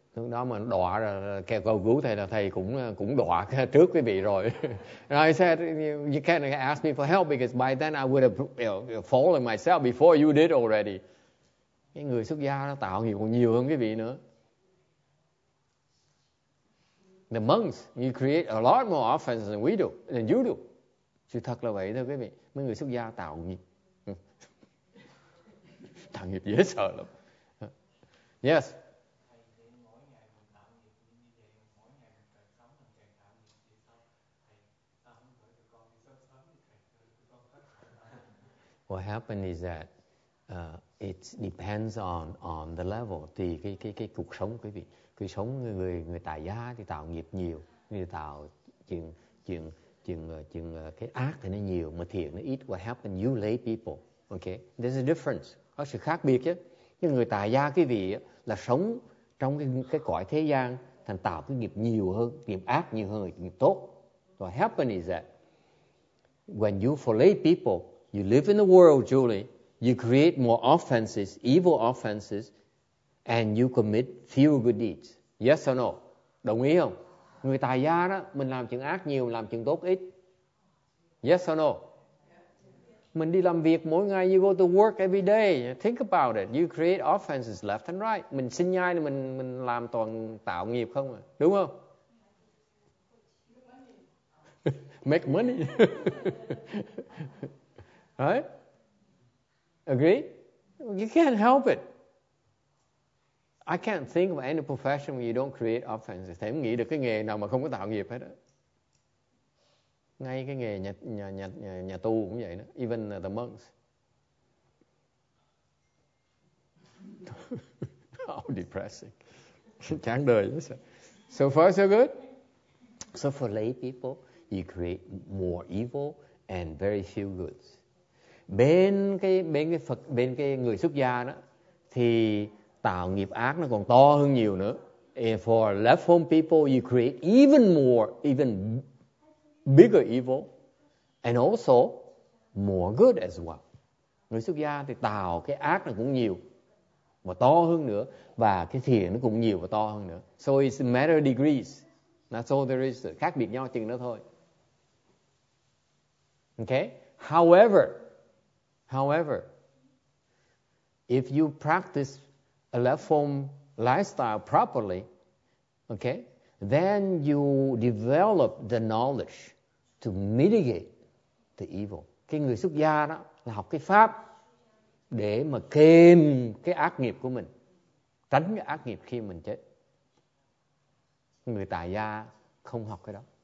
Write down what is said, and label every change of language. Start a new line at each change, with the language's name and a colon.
Vietnamese: Lúc đó mà đọa kêu cầu cứu thầy là thầy cũng đọa trước quý vị rồi.
English: I said, you can't ask me for help because by then I would have fallen myself before you did already.
Vietnamese: Cái người xuất gia nó tạo nghiệp còn nhiều hơn quý vị nữa.
English: The monks, you create a lot more offense than we do, than you do.
Vietnamese: Chứ thật là vậy thôi quý vị. Mấy người xuất gia tạo nghiệp. Tạo nghiệp dễ sợ lắm.
English: Yes. What happened is that it depends on the level.
Vietnamese: Thì cái cuộc sống quý vị, cuộc sống người tại gia thì tạo nghiệp nhiều, người tạo chừng cái ác thì nó nhiều, mà thiện nó ít.
English: What happened, you lay people, okay? There's a difference.
Vietnamese: Có sự khác biệt chứ. Cái người tại gia quý vị là sống trong cái cõi thế gian, thành tạo cái nghiệp nhiều hơn, nghiệp ác nhiều hơn, nghiệp tốt.
English: What happened is that when you for lay people, you live in the world, Julie, you create more offenses, evil offenses, and you commit fewer good deeds. Yes or no?
Vietnamese: Đồng ý không? Người tài gia đó, mình làm chuyện ác nhiều, làm chuyện tốt ít.
English: Yes or no?
Vietnamese: Mình đi làm việc mỗi ngày,
English: you go to work every day. Think about it. You create offenses left and right.
Vietnamese: Mình sinh nhai thì mình làm toàn tạo nghiệp không à? Đúng không?
English: Make money. Right? Agree? You can't help it. I can't think of any profession where you don't create offenses.
Vietnamese: Thầy không nghĩ được cái nghề nào mà không có tạo nghiệp hết á. Ngay cái nghề nhà tu cũng vậy đó.
English: Even the monks. How depressing.
Vietnamese: Chán đời lắm.
English: So far so good. So for lay people, you create more evil and very few goods.
Vietnamese: Bên cái người xuất gia đó thì tạo nghiệp ác nó còn to hơn nhiều nữa.
English: And for left home people, you create even bigger evil and also more good as well.
Vietnamese: Người xuất gia thì tạo cái ác nó cũng nhiều và to hơn nữa, và cái thiện nó cũng nhiều và to hơn nữa.
English: So it's a matter of degrees. That's all there is.
Vietnamese: Khác biệt nhau chừng đó thôi.
English: Okay? However, if you practice a left-form lifestyle properly, okay, then you develop the knowledge to mitigate the evil.
Vietnamese: Cái người xuất gia đó là học cái pháp để mà kềm cái ác nghiệp của mình, tránh cái ác nghiệp khi mình chết. Người tài gia không học cái đó.